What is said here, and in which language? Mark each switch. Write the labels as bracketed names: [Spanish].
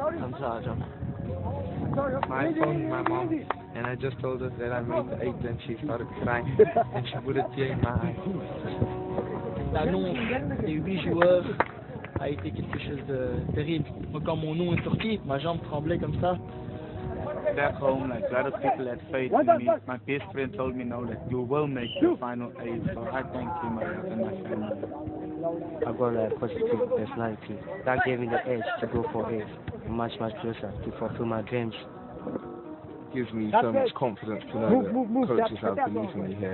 [English] My phone, my mom, and I just told her that I made the 8th and she started crying and she put a tear in my eye. [French] L'annonce des 8 joueurs a été quelque chose de terrible. Moi, quand mon nom est sorti, ma jambe tremblait comme ça. [English] Back home, like, a lot of people had faith in me. My best friend told me now that you will make the final 8, so I thank him and my family. I got a positive personality. That gave me the edge to go for it. Much, much closer to fulfill my dreams. Gives me so much confidence to know that coaches have believed in me here.